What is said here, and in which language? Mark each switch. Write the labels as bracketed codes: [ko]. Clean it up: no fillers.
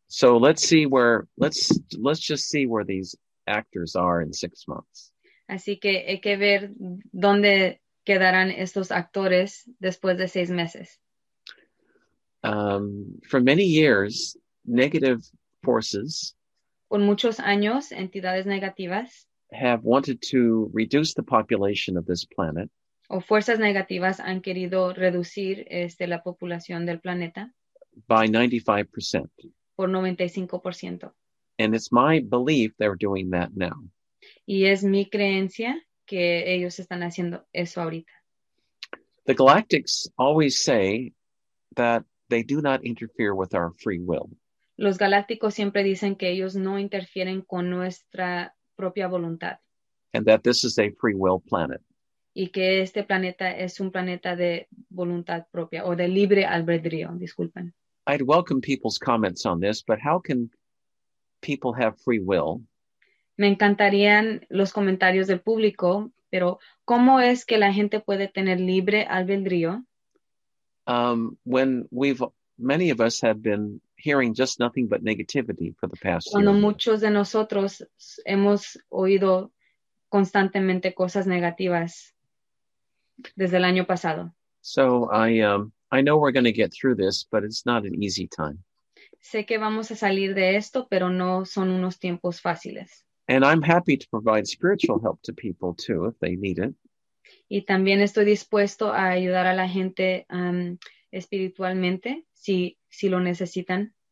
[en] So let's just see where these actors are in 6 months. [es] Así que hay que ver dónde quedarán estos actores después de 6 meses. [en] For many years, negative forces, [es] por muchos años, entidades negativas, [en] have wanted to reduce the population of this planet. [es] O fuerzas negativas han querido reducir la población del planeta. [en] By 95%. [es] Por 95%. [en] And it's my belief they're doing that now. [es] Y es mi creencia que ellos están haciendo eso ahorita. [en] The Galactics always say that they do not interfere with our free will. [es] Los Galácticos siempre dicen que ellos no interfieren con nuestra propia voluntad. [en] And that this is a free will planet. [es] Y que este planeta es un planeta de voluntad propia o de libre albedrío, disculpen. [en] I'd welcome people's comments on this, but how can people have free will? [es] Me encantarían los comentarios del público, pero ¿cómo es que la gente puede tener libre albedrío? [en] When many of us have been hearing just nothing but negativity for the past [es] cuando [en] year. [es] Muchos de nosotros hemos oído constantemente cosas negativas desde el año pasado. [en] So I know we're going to get through this, but it's not an easy time. [es] Sé que vamos a salir de esto, pero no son unos tiempos fáciles. [en] And I'm happy to provide spiritual help to people too if they need it. [es] Y también estoy dispuesto a ayudar a la gente espiritualmente si lo necesitan.